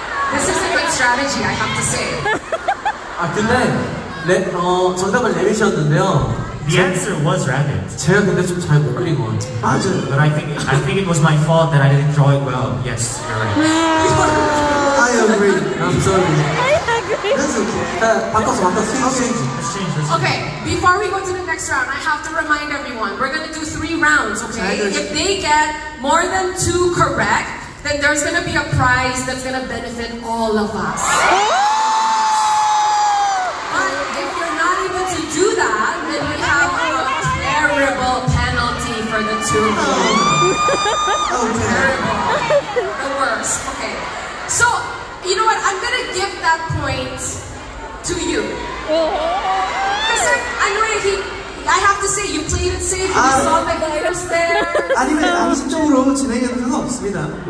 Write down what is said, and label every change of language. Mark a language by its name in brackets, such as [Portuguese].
[English] This is a good strategy, I have to say. [Korean] 아 근데 정답은 레빗이었는데요. [English] The answer was rabbit. [Korean] 제가 근데 좀 잘 못 그린 것 같아요. 맞아요. [English] But I think it was my fault that I didn't draw it well. Yes, you're right. I agree. I'm sorry. That's okay. Okay, before we go to the next round, I have to remind everyone, we're gonna do three rounds, okay? If they get more than two correct, then there's gonna be a prize that's gonna benefit all of us. But if you're not able to do that, then we have a terrible penalty for the two of you. Terrible. The worst, okay. So, you know what, I'm gonna give that point to you. Because I have to say, you played it safe, you saw the guidance there. [Korean] 아니면 양심적으로 진행해도 상관없습니다.